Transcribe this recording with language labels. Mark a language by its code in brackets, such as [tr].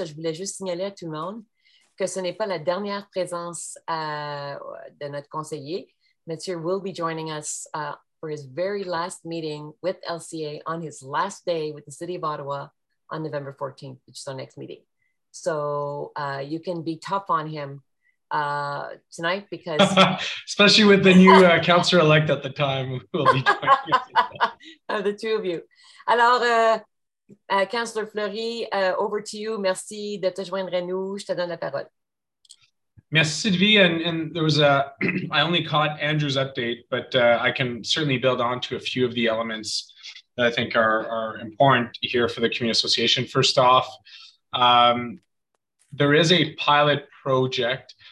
[fr] Je voulais juste signaler à tout le monde que ce n'est pas la dernière présence de notre conseiller. [en] Mathieu will be joining us for his very last meeting with LCA on his last day with the City of Ottawa on November 14th, which is our next meeting. So you can be tough on him tonight because... Especially with the new councillor-elect at the time. We'll be talking the two of you. Alors, Councillor Fleury, over to you. [fr] Merci de te joindre à nous. Je te donne la parole. Merci, Sylvie. [en] And there was a, I only caught Andrew's update, but I can certainly build on to a few of the elements that I think are important here for the community association. First off, there is a pilot project.